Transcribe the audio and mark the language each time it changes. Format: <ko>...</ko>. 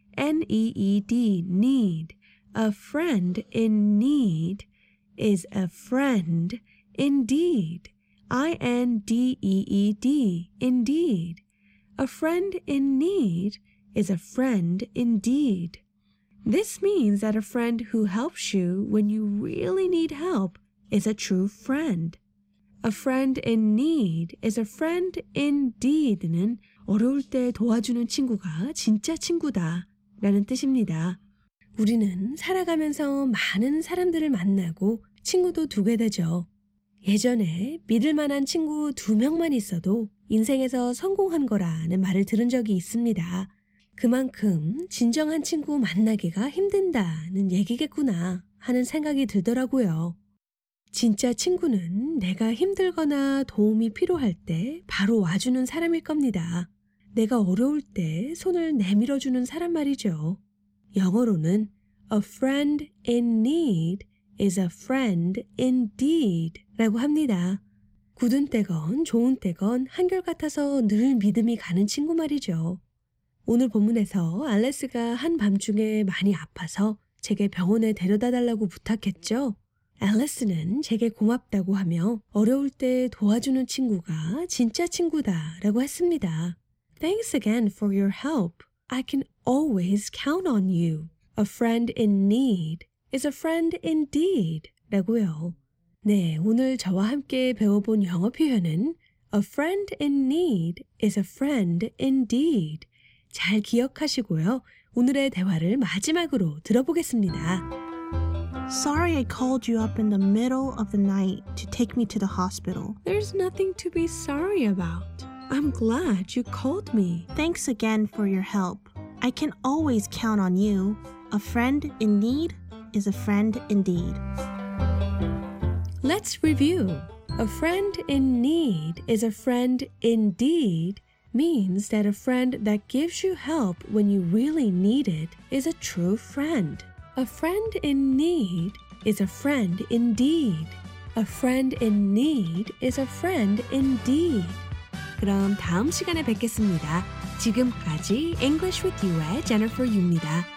<en>N-E-E-D, need. A friend in need is a friend indeed. I-N-D-E-E-D, indeed. A friend in need is a friend indeed. This means that a friend who helps you when you really need help is a true friend. A friend in need is a friend indeed</en> <ko>는 어려울 때 도와주는 친구가 진짜 친구다 라는 뜻입니다. 우리는 살아가면서 많은 사람들을 만나고 친구도 두게 되죠. 예전에 믿을 만한 친구 두 명만 있어도 인생에서 성공한 거라는 말을 들은 적이 있습니다. 그만큼 진정한 친구 만나기가 힘든다는 얘기겠구나 하는 생각이 들더라고요. 진짜 친구는 내가 힘들거나 도움이 필요할 때 바로 와주는 사람일 겁니다. 내가 어려울 때 손을 내밀어주는 사람 말이죠. 영어로는</ko> <en>A friend in need is a friend indeed</en> <ko>라고 합니다. 굳은 때건 좋은 때건 한결같아서 늘 믿음이 가는 친구 말이죠. 오늘 본문에서 알레스가 한밤중에 많이 아파서 제게 병원에 데려다 달라고 부탁했죠. 앨리스는 제게 고맙다고 하며 어려울 때 도와주는 친구가 진짜 친구다 라고 했습니다.</ko> <en>Thanks again for your help. I can always count on you. A friend in need is a friend indeed</en> <ko>라고요. 네, 오늘 저와 함께 배워본 영어 표현은</ko> <en>A friend in need is a friend indeed.</en> <ko>잘 기억하시고요. 오늘의 대화를 마지막으로 들어보겠습니다.</ko> <en>Sorry I called you up in the middle of the night to take me to the hospital. There's nothing to be sorry about. I'm glad you called me. Thanks again for your help. I can always count on you. A friend in need is a friend indeed. Let's review. A friend in need is a friend indeed means that a friend that gives you help when you really need it is a true friend. A friend in need is a friend indeed. A friend in need is a friend indeed.</en> <ko>그럼 다음 시간에 뵙겠습니다. 지금까지 English with You의 Jennifer Yu입니다.</ko>